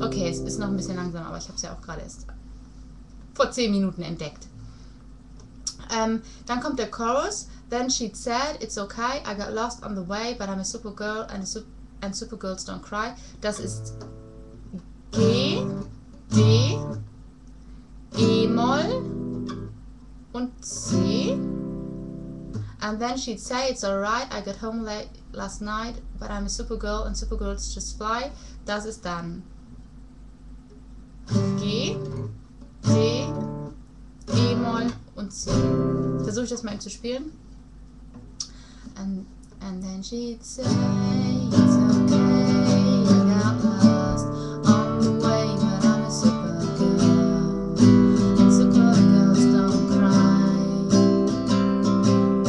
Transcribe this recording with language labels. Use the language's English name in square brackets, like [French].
[German] Okay, es ist noch ein bisschen langsam, aber ich habe es ja auch gerade erst vor 10 Minuten entdeckt. Dann kommt der Chorus. [English] Then she said, it's okay, I got lost on the way, but I'm a supergirl and supergirls don't cry. [German] Das ist G, D, E-Moll und C. [English] And then she'd say, it's alright, I got home late last night, but I'm a supergirl and supergirls just fly. [German] Das ist dann G, D, E-Moll und C. Versuche ich das mal eben zu spielen. [English] And then she'd say, it's okay, I got lost on the way, but I'm a supergirl, and supergirls don't cry.